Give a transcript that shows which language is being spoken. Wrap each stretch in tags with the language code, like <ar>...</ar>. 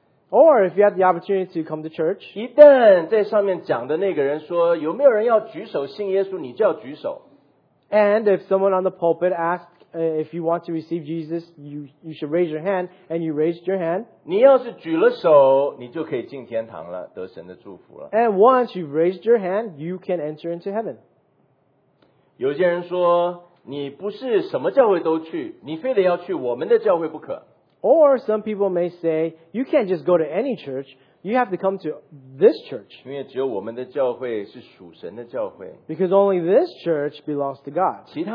<en>or if you have the opportunity to come to church,</en> <zh>一旦在上面讲的那个人说, 有没有人要举手信耶稣, 你就要举手。</zh> <en>And if someone on the pulpit asked if you want to receive Jesus, you should raise your hand, and you raised your hand.</en> <zh>你要是举了手, 你就可以进天堂了, 得神的祝福了。</zh> <en>And once you've raised your hand, you can enter into heaven.</en> <zh>有些人说, 你不是什么教会都去, 你非得要去我们的教会不可。</zh> <en>Or some people may say, you can't just go to any church, you have to come to this church. Because only this church belongs to God.</en>